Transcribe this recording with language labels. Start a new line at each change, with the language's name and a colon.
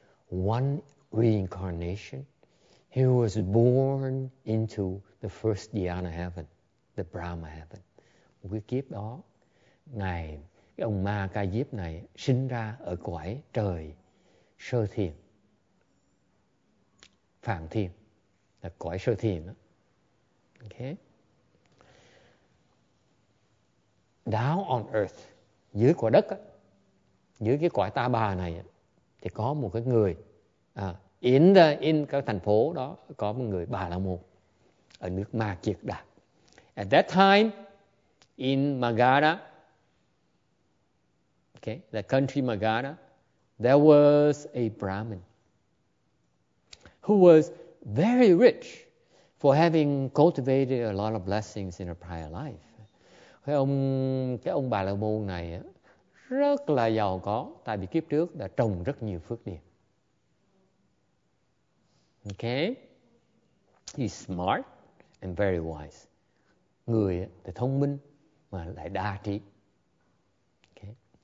English: One reincarnation, he was born into the first Dhyana heaven, the Brahma heaven.
Vietnamese: Một cái kiếp đó, ngài, cái ông Ma Ca Diếp này sinh ra ở cõi trời sơ thiền. Phạm thiền là cõi sơ thiền đó. Okay.
English: Down on earth,
Vietnamese: dưới quả đất á, dưới cái quả ta bà này á, thì có một cái người in các thành phố đó có một người Bà La Môn ở nước Ma Kiệt Đạt.
English: At that time in Magadha, okay, the country Magadha, there was a Brahmin who was very rich for having cultivated a lot of blessings in her prior life.
Vietnamese: Cái ông Bà La Môn này rất là giàu có tại vì kiếp trước đã trồng rất nhiều phước điền.
English: Okay? He's smart and very wise.
Vietnamese: Người thì thông minh mà lại đa trí. Okay?